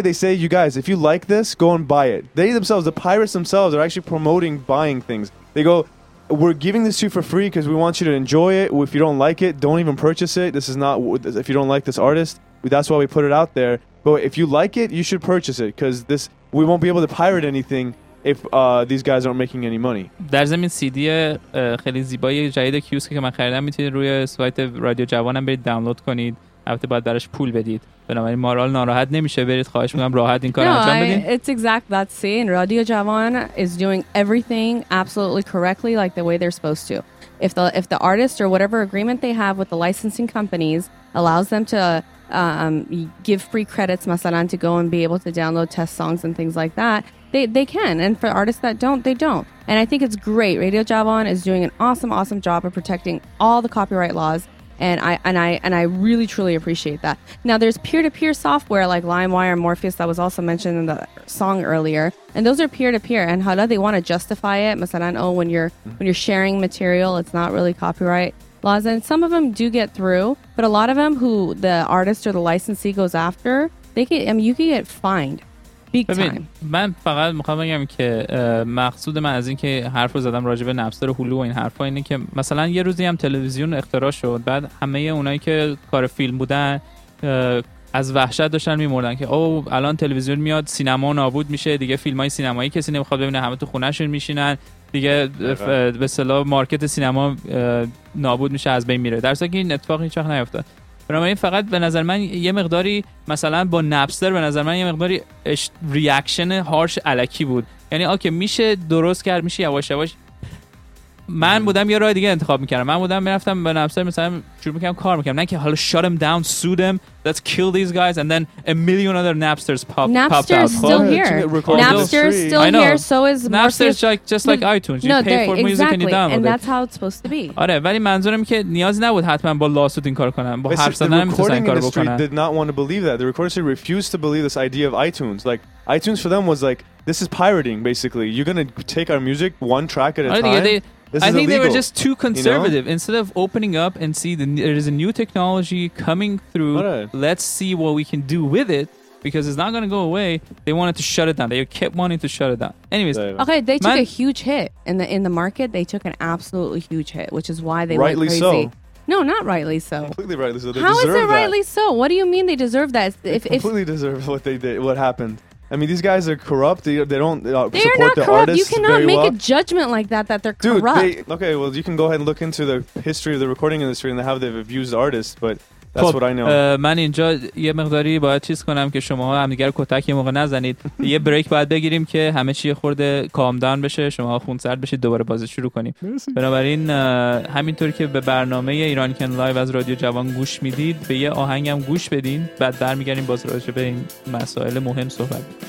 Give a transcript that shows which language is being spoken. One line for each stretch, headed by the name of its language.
English: They say, you guys, if you like this, go and buy it. They themselves, the pirates themselves, are actually promoting buying things. They go, we're giving this to you for free because we want you to enjoy it. If you don't like it, don't even purchase it. This is not, if you don't like this artist, that's why we put it out there. But if you like it, you should purchase it because this, we won't be able to pirate anything if these guys aren't making any money.
Persian: در زمین CD خیلی زیبای جدید کیوسک که من خریدم میتونید روی سایت رادیو جوانم برید دانلود کنید. البته باید درش پول بدید. بنابراین مارال ناراحت نمیشه. برید خواهش میکنم راحت این کار انجام بدید.
English: It's exact that scene. Radio Javan is doing everything absolutely correctly like the way they're supposed to. If the artist or whatever agreement they have with the licensing companies allows them to give free credits مثلا to go and be able to download test songs and things like that, they can, and for artists that don't, they don't. And I think it's great. Radio Javan is doing an awesome job of protecting all the copyright laws, and I really truly appreciate that. Now there's peer-to-peer software like LimeWire and Morpheus that was also mentioned in the song earlier, and those are peer-to-peer, and hala, they want to justify it مثلا, oh, when you're sharing material, it's not really copyright laws, and some of them do get through, but a lot of them who the artist or the licensee goes after, they can, I mean, you can get fined big time.
Persian: من فقط میخوام بگم که مقصود من از این که حرف رو زدم راجع به نپستر و هلو و این حرفا اینه که مثلا یه روزی هم تلویزیون اختراع شد، بعد همه اونایی که کار فیلم بودن از وحشت داشتن میمردن که اوه الان تلویزیون میاد سینما نابود میشه، دیگه فیلمای سینمایی کسی نمیخواد ببینه، همه تو خونه‌شون میشینن دیگه، به اصطلاح مارکت سینما نابود میشه، از بین میره. درسته که این اتفاق هیچ وقت نیفتاد. بنابراین فقط به نظر من یه مقداری مثلا با نپستر به نظر من یه مقداری ریاکشن هارش الکی بود. یعنی اوکی میشه درست کرد، میشه یواش یواش. من بودم یه راه دیگه انتخاب میکردم. من بودم میرفتم به نپستر مثلا شروع میکردم کار میکردم. نه که حالا
English: shut them down, sue them, let's kill these guys and then a million other Napsters popped out. Napster is still here. So is Napster is like just like iTunes. You pay for music and you download it. And that's how it's supposed to be.
Persian: آره ولی منظورم این که نیازی نبود حتما با lawsuit این کار کنم. با حرف زدن نمیتونم این کارو بکنم.
English: The recording industry did not want to believe that. The recording industry refused to believe this idea of iTunes. Like iTunes for them was like, this is pirating basically. You're going to take our music one track at a time. I think they were just too conservative. You know? Instead of opening up and see there is a new technology coming through, let's see what we can do with it because it's not going to go away. They wanted to shut it down. They kept wanting to shut it down. Anyways. Okay, they took a huge hit in the market. They took an absolutely huge hit, which is why they rightly went crazy. Rightly so. No, not rightly so. Completely rightly so. How is it rightly so? What do you mean they deserve that? They completely deserve what happened. I mean, these guys are corrupt. They don't support the artists. They are not corrupt. You cannot make well. A judgment like that, that they're Dude, corrupt. Dude, okay, well, you can go ahead and look into the history of the recording industry and how they've abused artists, but that's
Persian: خب,
English: what I know.
Persian: من اینجا یه مقداری باید چیز کنم که شما همدیگر کتک یه موقع نزنید. یه بریک باید بگیریم که همه چی خورده کامدان بشه، شما خونسرد بشید، دوباره بازه شروع کنیم. بنابراین همینطور که به برنامه ایرانیکن لایو از رادیو جوان گوش میدید، به یه آهنگ هم گوش بدین، بعد برمیگردیم باز راجع به این مسائل مهم صحبت.